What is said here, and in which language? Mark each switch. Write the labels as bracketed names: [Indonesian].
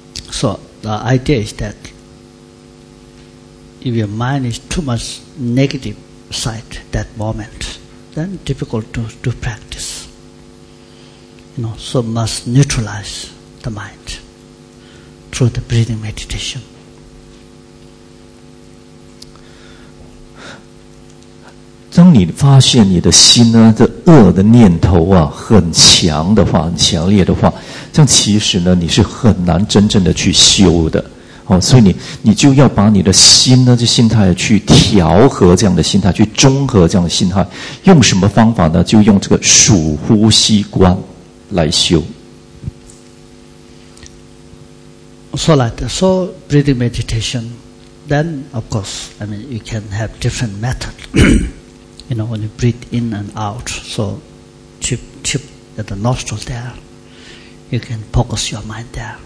[English] So the idea is that if your mind is too much negative side that moment, then difficult to practice. You know, so must neutralize the mind through the breathing meditation. [Chinese] 当你发现你的心呢，这恶的念头啊，很强的话，很强烈的话，这样其实呢，你是很难真正的去修的。哦，所以你就要把你的心呢，这心态去调和这样的心态，去中和这样的心态，用什么方法呢？就用这个数呼吸观来修。 [English] So like so breathing meditation, then of course, I mean, you can have different method. You know, when you breathe in and out, so tip at the nostril there, you can focus your mind there.